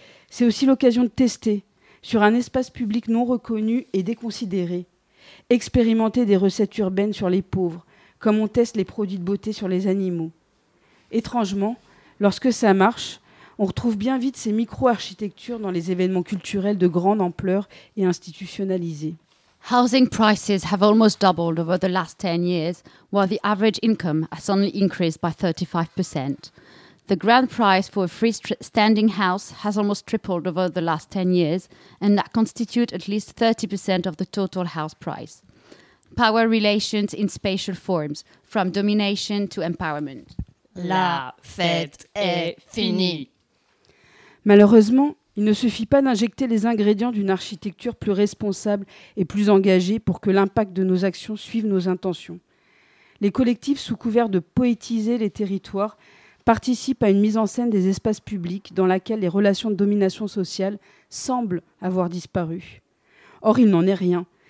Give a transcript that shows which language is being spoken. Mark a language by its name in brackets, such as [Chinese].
[French] C'est aussi l'occasion de tester, sur un espace public non reconnu et déconsidéré, expérimenter des recettes urbaines sur les pauvres, comme on teste les produits de beauté sur les animaux. Étrangement, lorsque ça marche, on retrouve bien vite ces micro-architectures dans les événements culturels de grande ampleur et institutionnalisés. [English] Housing prices have almost doubled over the last 10 years, while the average income has only increased by 35%. The grand price for a freestanding house has almost tripled over the last 10 years, and that constitutes at least 30% of the total house price. Power relations in spatial forms, from domination to empowerment. [French] La fête est finie. Malheureusement, il ne suffit pas d'injecter les ingrédients d'une architecture plus responsable et plus engagée pour que l'impact de nos actions suive nos intentions. Les collectifs, sous couvert de poétiser les territoires, participent à une mise en scène des espaces publics dans laquelle les relations de domination sociale semblent avoir disparu. Or, il n'en est rien.